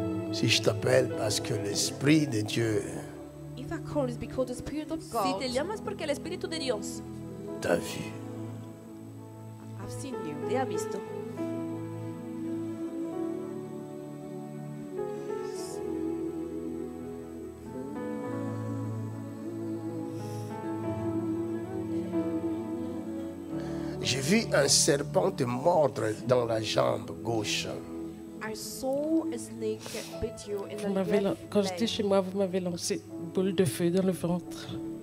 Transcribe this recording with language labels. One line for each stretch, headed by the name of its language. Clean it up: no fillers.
French: Si je t'appelle parce que l'Esprit de Dieu.
English: If I call, it's because the Spirit of God.
Spanish: Si te llamas porque el Espíritu de Dios.
French: T'as vu.
English: I've seen you.
Spanish: Te ha visto.
French: J'ai vu un serpent te mordre dans la jambe gauche.
English: I saw a snake bit you in the left leg.
French: Quand j'étais chez moi, vous m'avez lancé boule de feu dans le ventre.